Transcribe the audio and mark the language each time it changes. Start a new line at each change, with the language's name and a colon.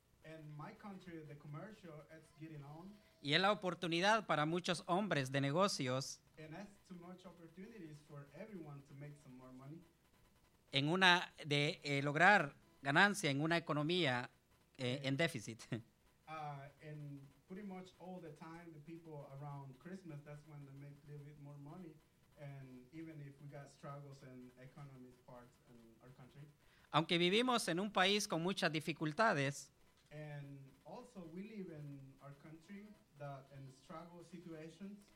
English: In my country, the commercial, it's getting on.
Spanish: Y es la oportunidad para muchos hombres de negocios.
English: And that's too much opportunities for everyone to make some more money.
Spanish: En una de lograr ganancia en una economía en déficit.
English: And pretty much all the time, the people around Christmas, that's when they make a little bit more money. And even if we got struggles in economic parts in our country.
Spanish: Aunque vivimos en un país con muchas dificultades.
English: And also we live in our country that in struggle situations.